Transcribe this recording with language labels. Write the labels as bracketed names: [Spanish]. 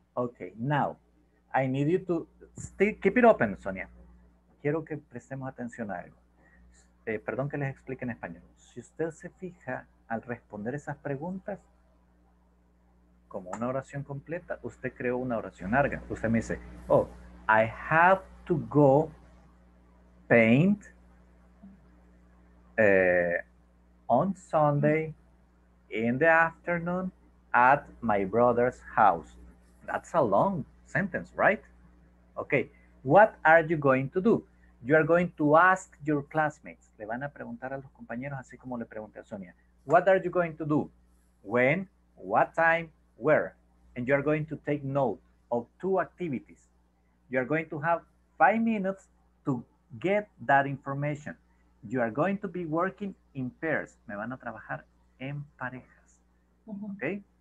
[English] Okay, now, I need you to keep it open, Sonia. [Spanish] Quiero que prestemos atención a algo. Perdón que les explique en español. Si usted se fija al responder esas preguntas como una oración completa, usted creó una oración larga. Usted me dice, [English] oh, I have to go paint on Sunday in the afternoon at my brother's house. That's a long sentence, right? Okay, what are you going to do? You are going to ask your classmates. [Spanish] Le van a preguntar a los compañeros, así como le pregunté a Sonia. [English] What are you going to do? When, what time, where? And you are going to take note of two activities. You are going to have 5 minutes to get that information. You are going to be working in pairs. [Spanish] Me van a trabajar en parejas. Uh-huh. Okay?